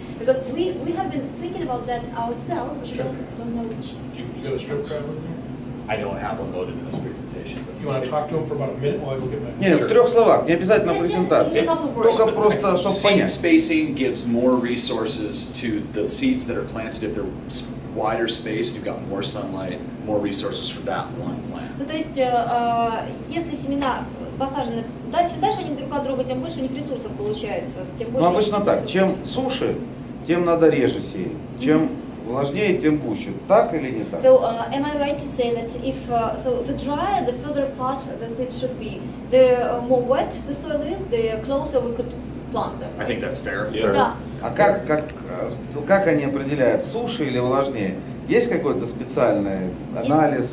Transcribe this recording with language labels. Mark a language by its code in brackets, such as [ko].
[en] Because we have been thinking about that ourselves, but we don't know which. You got a strip crowd in there? I don't have one loaded in this presentation. You want to talk to him for about a minute while I go get my. [ru] Нет, в трех словах, не обязательно презентация. Только просто, чтобы понять. [en] Seed spacing gives more resources to the seeds that are planted if they're wider space, you've got more sunlight, more resources for that one plant. [ru] Ну, то есть, если семена посажены дальше они друг от друга, тем больше у них ресурсов получается, тем больше. Ну, обычно так, чем суше, тем надо реже сеять, чем влажнее, тем гуще. Так или не так? [en] So, am I right to say that if so the drier the further apart the seed should be, the more wet the soil is, the closer we could plant them. I think that's fair. Yeah. [ru] Да. А как они определяют, суше или влажнее? Есть какой-то специальный анализ?